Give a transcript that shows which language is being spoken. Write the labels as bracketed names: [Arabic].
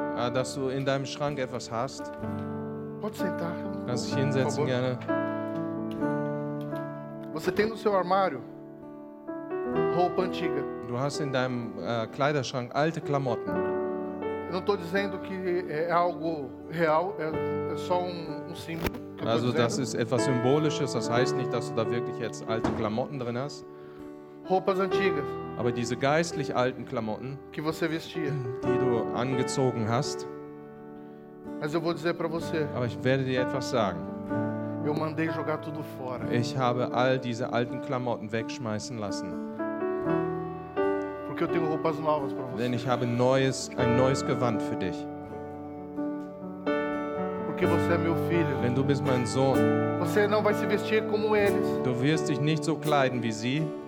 [German] Ah, dass du in deinem Schrank etwas hast. [Portuguese] Pode sentar. [German] Kannst dich hinsetzen gerne. [Portuguese] Você tem no seu armário roupa antiga. [German] Du hast in deinem Kleiderschrank alte Klamotten. [Portuguese] Eu não estou dizendo que é algo real, é só um símbolo. [German] Also das ist etwas Symbolisches, das heißt nicht, dass du da wirklich jetzt alte Klamotten drin hast. [Portuguese] Roupas antigas. [German] Aber diese geistlich alten Klamotten, [Portuguese] que você vestia. [German] Die du angezogen hast. [Portuguese] Mas eu vou dizer pra você, [German] aber ich werde dir etwas sagen. [Portuguese] Eu mandei jogar tudo fora. [German] Ich habe all diese alten Klamotten wegschmeißen lassen. [Portuguese] Porque eu tenho roupas novas pra você. [German] Denn ich habe ein neues Gewand für dich. [Portuguese] Porque você é meu filho. [German] Denn du bist mein Sohn. [Portuguese] Você não vai se vestir como eles. [German] Du wirst dich nicht so kleiden wie sie.